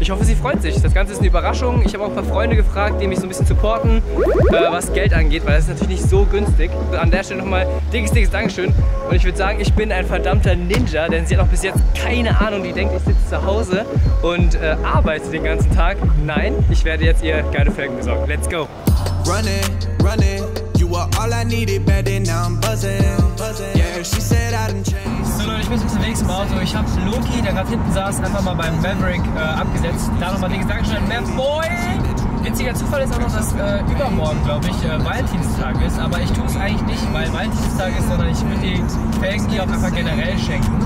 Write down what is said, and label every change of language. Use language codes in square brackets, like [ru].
[de] Ich hoffe, sie freut sich. Das Ganze ist eine Überraschung. Ich habe auch ein paar Freunde gefragt, die mich so ein bisschen supporten, was Geld angeht, weil das ist natürlich nicht so günstig. An der Stelle nochmal dickes Dankeschön. Und ich würde sagen, ich bin ein verdammter Ninja, denn sie hat auch bis jetzt keine Ahnung. Die denkt, ich sitze zu Hause und arbeite den ganzen Tag. Nein, ich werde jetzt ihr geile Felgen besorgen. [en] Let's go! Running, running, you are all I needed, bad and now I'm buzzing. Yeah, she said I didn't change. [de] So Leute, ich bin unterwegs im Auto. Ich hab Loki, der gerade hinten saß, einfach mal beim Maverick abgesetzt. Da nochmal dickes Dankeschön, Mavboy! Witziger Zufall ist auch noch, dass übermorgen, glaube ich, Valentinstag ist. Aber ich tue es eigentlich nicht, weil Valentinstag ist, sondern ich würde die Felgen hier auch einfach generell schenken.